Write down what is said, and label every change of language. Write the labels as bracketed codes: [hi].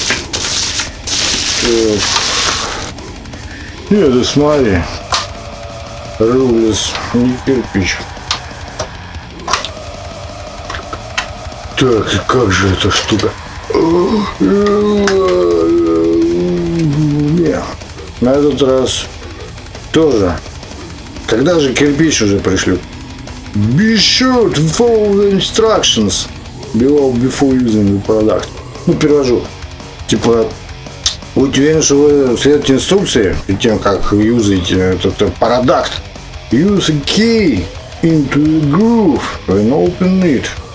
[ru] Так. Нет, да смотри, рулес, не кирпич. Так, и как же эта штука? Нет, на этот раз тоже. Когда же кирпич уже пришлю? [en] Be sure to follow the instructions before using the product. [ru] Ну, перевожу. Типа, будь уверен, что вы следуете инструкции перед тем, как юзаете этот продукт. [en] Use a key into the groove and open it.